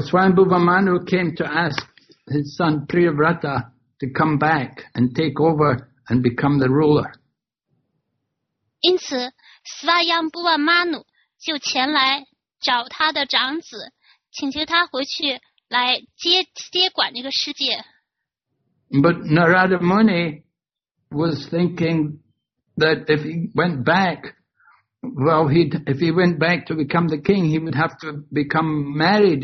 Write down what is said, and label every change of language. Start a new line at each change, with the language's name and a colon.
English: Swayambhuva Manu came to ask his son Priyavrata to come back and take over and become the ruler.
Chinese: 因此，斯瓦扬布瓦曼努就前来找他的长子，请求他回去来接管这个世界。
English: But Narada Muni was thinking that if he went back, if he went back to become the king, he would have to become married.